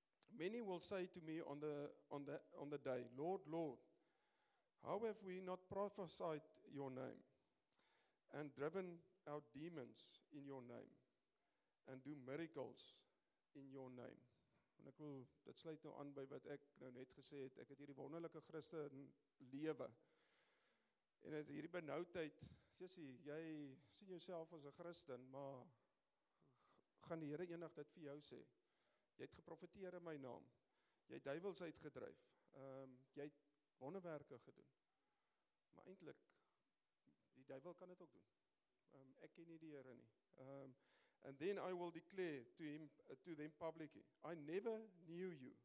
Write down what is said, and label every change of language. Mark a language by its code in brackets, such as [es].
[en] Many will say to me on the day, Lord, Lord, how have we not prophesied your name? And driven out demons in your name, and do miracles in your name. [af] En ek wil, dit sluit nou aan by wat ek nou net gesê het, ek het hierdie wonderlike Christen lewe, en het hierdie benoudheid, Jesse, jy sien jouself as 'n Christen, maar gaan die Here enig dit vir jou sê, jy het geprofeteer in my naam, jy het duivels uitgedryf, jy het wonderwerke gedoen, maar eintlik, die duivel kan dit ook doen. Ek ken nie die Here nie. [en] And then I will declare to him to them publicly, I never knew you.